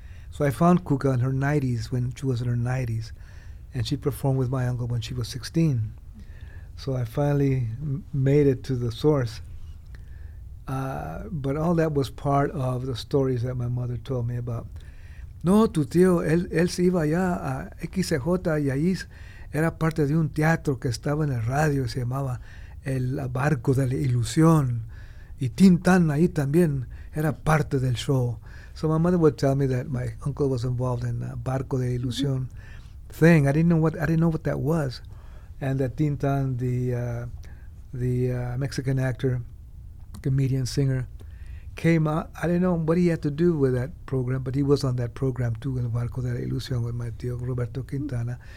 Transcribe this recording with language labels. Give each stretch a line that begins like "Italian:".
English: So I found Cuca in her 90s, when she was in her 90s, and she performed with my uncle when she was 16. So I finally made it to the source. But all that was part of the stories that my mother told me about.
Spanish: No, tu tío, él se iba allá a XJ y allí era parte de un teatro que estaba en el radio, se llamaba El Barco de la Ilusión. Y Tintán ahí también era parte del show.
English: So my mother would tell me that my uncle was involved in the Barco de la Ilusión thing. I didn't know what that was. And that Tintán, the Mexican actor, comedian, singer, came out. I didn't know what he had to do with that program, but he was on that program too, El Barco de la Ilusión, with my tío Roberto Quintana.